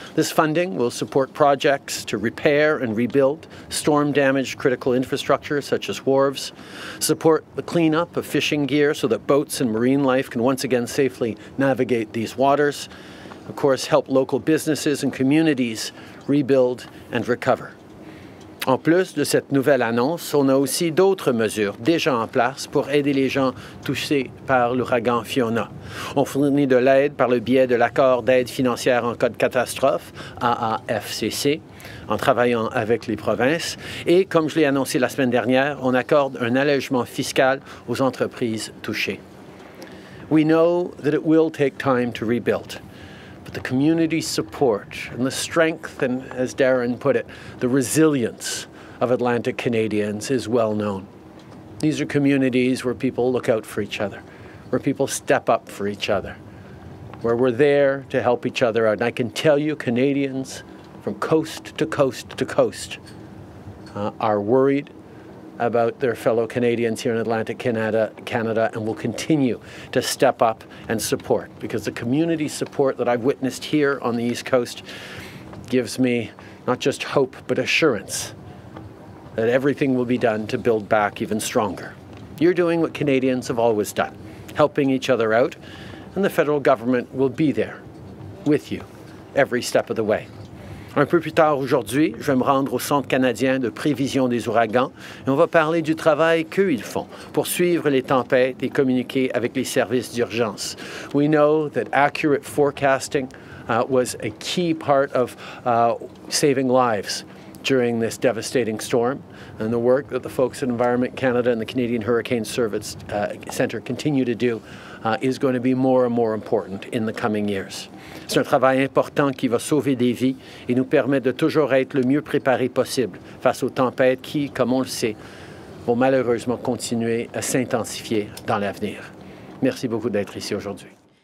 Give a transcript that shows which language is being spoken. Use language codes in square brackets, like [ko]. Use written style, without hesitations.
[en] This funding will support projects to repair and rebuild storm-damaged critical infrastructure, such as wharves, support the cleanup of fishing gear so that boats and marine life can once again safely navigate these waters, of course, help local businesses and communities rebuild and recover. [fr] En plus de cette nouvelle annonce, on a aussi d'autres mesures déjà en place pour aider les gens touchés par l'ouragan Fiona. On fournit de l'aide par le biais de l'accord d'aide financière en cas de catastrophe, AAFCC, en travaillant avec les provinces. Et comme je l'ai annoncé la semaine dernière, on accorde un allègement fiscal aux entreprises touchées. [en] We know that it will take time to rebuild. The community support and the strength and, as Darren put it, the resilience of Atlantic Canadians is well known. These are communities where people look out for each other, where people step up for each other, where we're there to help each other out. And I can tell you, Canadians from coast to coast to coast are worried about their fellow Canadians here in Atlantic Canada, and will continue to step up and support, because the community support that I've witnessed here on the East Coast gives me not just hope, but assurance that everything will be done to build back even stronger. You're doing what Canadians have always done, helping each other out, and the federal government will be there with you every step of the way. [fr] Un peu plus tard aujourd'hui, je vais me rendre au Centre canadien de prévision des ouragans et on va parler du travail qu'ils font pour suivre les tempêtes et communiquer avec les services d'urgence. [en] We know that accurate forecasting was a key part of saving lives during this devastating storm, and the work that the folks at Environment Canada and the Canadian Hurricane Service Centre continue to do is going to be more and more important in the coming years. [fr] C'est un travail important qui va sauver des vies et nous permettre de toujours être le mieux préparé possible face aux tempêtes qui, comme on le sait, vont malheureusement continuer à s'intensifier dans l'avenir. Merci beaucoup d'être ici aujourd'hui.